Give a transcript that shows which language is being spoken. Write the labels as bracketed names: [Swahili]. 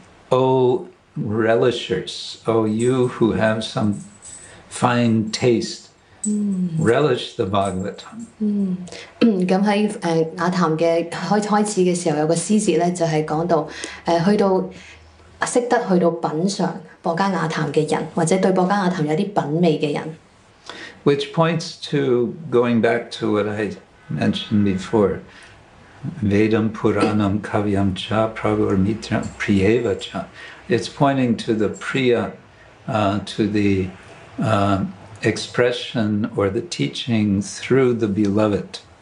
[English] O relishers, O you who have some fine taste, relish the Bhagavatam. [Cantonese] 咁喺雅談嘅開始嘅時候，有個詩節咧，就係講到，去到識得去到品嚐。博加瓦談嘅人，或者對博加瓦談有啲品味嘅人， [English] which points to going back to what I mentioned before, [Sanskrit] Vedam Puranam Kavyam Cha Pragur Mitra Priyeva Cha. [English] It's pointing to the Priya, to the expression or the teaching through the beloved.